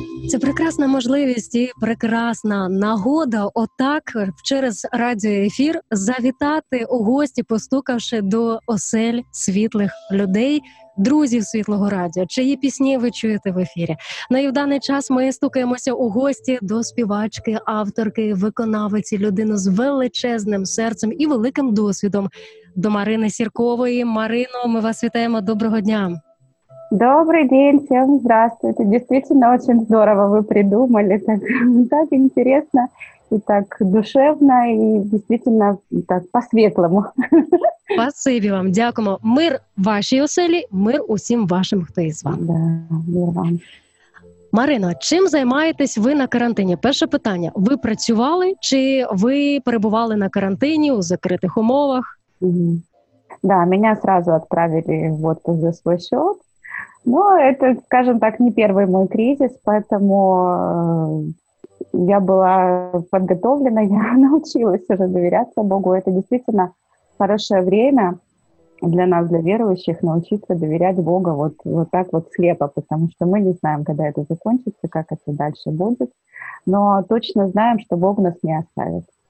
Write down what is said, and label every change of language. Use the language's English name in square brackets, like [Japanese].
[Ukrainian] Це прекрасна можливість і прекрасна нагода отак через радіоефір завітати у гості, постукавши до осель світлих людей, друзів Світлого Радіо, чиї пісні ви чуєте в ефірі. Ну і в даний час ми стукаємося у гості до співачки, авторки, виконавиці, людини з величезним серцем і великим досвідом, до Марини Сіркової. Марино, ми вас вітаємо, доброго дня! Добрий день, [Russian] всем здравствуйте. Действительно, очень здорово вы придумали. Так интересно и так душевно, и действительно так по-светлому. Спасибо вам, [Ukrainian] дякуємо. Мир вашій оселі, мир усім вашим, хто із вами. [Russian] Да, мир вам. [Ukrainian] Марина, чим займаєтесь ви на карантині? Перше питання. Ви працювали чи ви перебували на карантині у закритих умовах? Да, мене одразу відправили в отпуск за свій счет. [Russian] Ну, это, скажем так, не первый мой кризис, поэтому я была подготовлена, я научилась уже доверяться Богу. Это действительно хорошее время для нас, для верующих, научиться доверять Богу вот так вот слепо, потому что мы не знаем, когда это закончится, как это дальше будет, но точно знаем, что Бог нас не оставит.